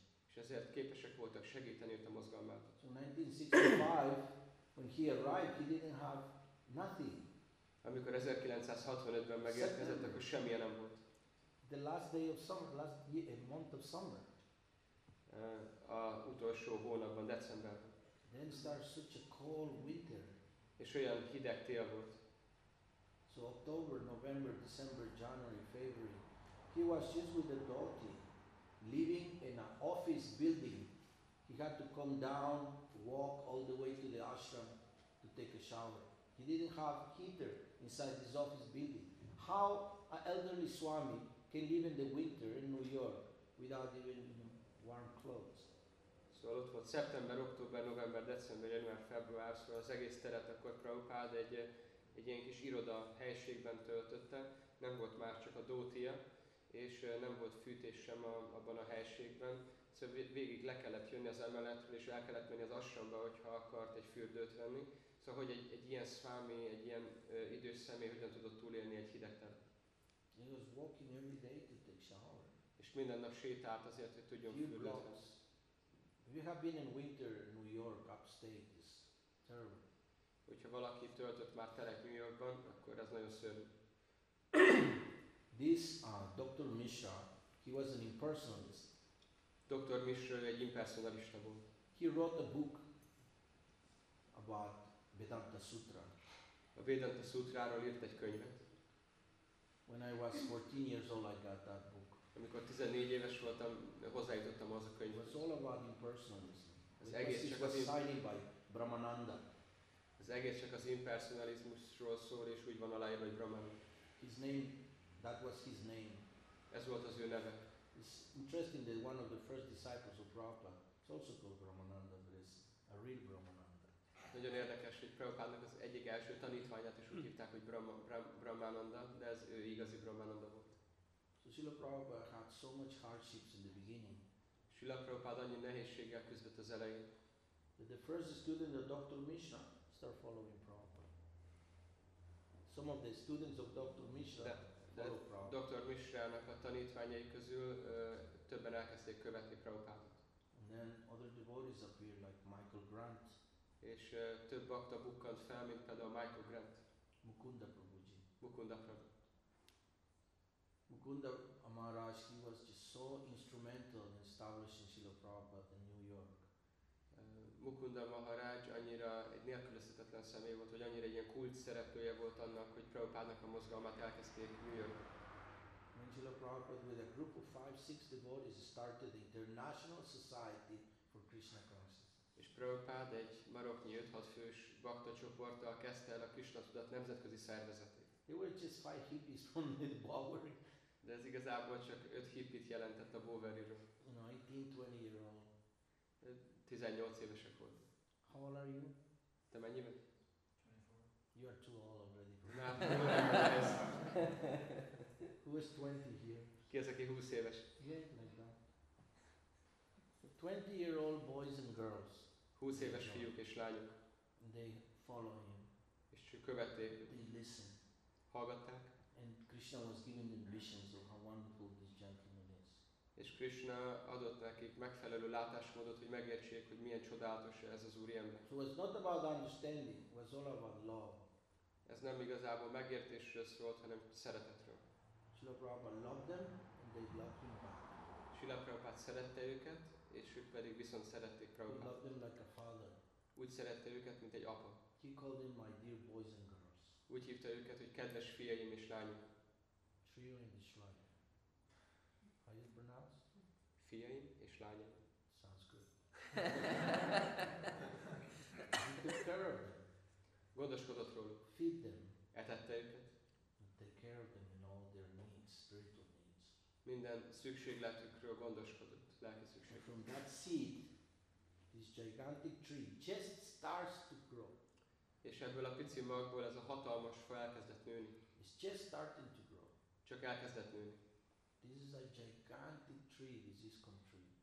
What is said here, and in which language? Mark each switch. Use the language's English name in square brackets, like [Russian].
[Hungarian] És ezért képesek voltak segíteni őt a mozgalmát. [English] So 1965, when he arrived, he didn't have nothing. [Hungarian] Amikor 1965-ben megérkezett, akkor semmilyen nem volt. [English] The last day of summer, last year, a month of summer. [Hungarian] A utolsó hónapban, decemberben. [English] Then starts such a cold winter. [Hungarian] És olyan hideg tél volt. [English] So October, November, December, January, February, he was just with a dhoti, living in an office building. He had to come down, walk all the way to the ashram to take a shower. He didn't have heater inside his office building. How an elderly swami can live in the winter in New York without even warm clothes? [Hungarian] Szóval ott volt szeptember, október, november, december, január, február, szóval az egész teret akkor Prabhupád egy ilyen kis iroda helyiségben töltötte, nem volt már csak a dótia, és nem volt fűtés sem abban a helyiségben, szóval végig le kellett jönni az emeletről, és el kellett menni az ashramba, hogyha akart egy fürdőt venni. Szóval hogy egy ilyen szvámi, egy ilyen idős személy hogyan tudott túlélni egy hideg teret? [English] He was walking every day to take shower. [Hungarian] És minden nap sétált azért, hogy tudjon fürdőt venni. [English] If you have been in winter in New York, upstate, it's terrible. [Hungarian] Hogyha valaki töltött már telek New Yorkban, akkor ez nagyon szörnyű. [English] This Dr. Mishra, he was an impersonalist. [Hungarian] Dr. Mishra egy impersonalista volt. [English] He wrote a book about Vedanta Sutra. [Hungarian] A Vedanta Sutráról írt egy könyvet. [English] When I was 14 years old, I got that book. [Hungarian] Amikor 14 éves voltam, hozzájutottam az a könyv. [English] It's all about impersonalism. [Hungarian] Ez egész csak az [English] signed by Brahmananda. [Hungarian] Ez egész csak az impersonalizmusról szól, és úgy van aláírva, hogy Brahman. [English] His name, that was his name. [Hungarian] Ez volt az ő neve. [English] It's interesting that one of the first disciples of Prabhupada is also called Brahmananda, but it's a real Brahmananda. [Hungarian] Nagyon érdekes, hogy Prabhupádnak az egyik első tanítványát is úgy hívták, hogy Brahmananda, de ez ő igazi Brahmananda volt. [English] So Srila Prabhupada had so much hardships in the beginning. [Hungarian] Srila Prabhupada annyi nehézséggel küzdött az elején. [English] That the first student of Dr. Mishra started following Prabhupada. Some of the students of Dr. Mishra followed Prabhupada. [Hungarian] Dr. Mishra-nak a tanítványai közül többen elkezdték követni Prabhupádot. [English] And then other devotees appeared like Michael Grant. [Hungarian] És több bhakta bukkant fel, mint például Michael Grant. [English] Mukunda Prabhuji. [Hungarian] Mukunda Prabhuji. [English] Mukunda Maharaj, he was just so instrumental in establishing Srila Prabhupada in New York. [Hungarian] Mukunda Maharaj annyira egy nélkülözhetetlen személy volt, hogy annyira egy ilyen kult szereplője volt annak, hogy Prabhupádnak a mozgalmát elkezdték New Yorkban. [English] When Srila Prabhupada with a group of 5-6 devotees started the International Society for Krishna Consciousness. [Hungarian] És Prabhupada egy maroknyi 5-6 fős bhakta csoporttal kezdte el a Krishna tudat nemzetközi szervezetét. [English] They were just 5 hippies from the Bowery. [Hungarian] De ez igazából csak 5 hippit jelentett a Bowery-ről. [English] 19-20 year old. [Hungarian] 18 évesek volt. [English] How old are you? [Hungarian] Te mennyi vagy? 24. [English] You are too old already. Nah, I'm not ready. Who is 20 here? [Hungarian] Ki az, aki 20 éves? [English] Yeah, like that. 20 year old boys and girls. [Hungarian] 20 éves fiúk és lányok. [English] They follow him. [Hungarian] És csak követték. [English] They listen. [Hungarian] Hallgatták. [English] And Krishna was giving them visions of how wonderful this gentleman is. [Hungarian] És Krishna adott nekik megfelelő látásmódot, hogy megértsék, hogy milyen csodálatos ez az úriember. [English] So it was not about understanding, it was all about love. [Hungarian] Ez nem igazából megértésről szólt, hanem szeretetről. [English] Srila Prabhupada loved them, and they loved him back. [Hungarian] Srila Prabhupada szerette őket, és ők pedig viszont szerették Prabhupada. [English] He loved them like a father. [Hungarian] Úgy szerette őket, mint egy apa. [English] He called them my dear boys and girls. [Hungarian] Úgy hívta őket, hogy kedves fiaim és lányom. [English] Trio in this life. How you pronounce? [Hungarian] Fiaim és lányom. [English] Sounds good. He took care of them. [Hungarian] Gondoskodott róluk. [English] Feed them. [Hungarian] Etette őket. [English] Take care of them in all their needs, spiritual needs. [Hungarian] Minden szükségletükről gondoskodott, lelki szükségletükről. [English] From that seed, this gigantic tree just starts to grow. [Hungarian] És ebből a pici magból ez a hatalmas fa elkezdett nőni. [English] It's just starting to grow. [Hungarian] Csak elkezdett nőni. [English] This is a gigantic tree, this ISKCON tree.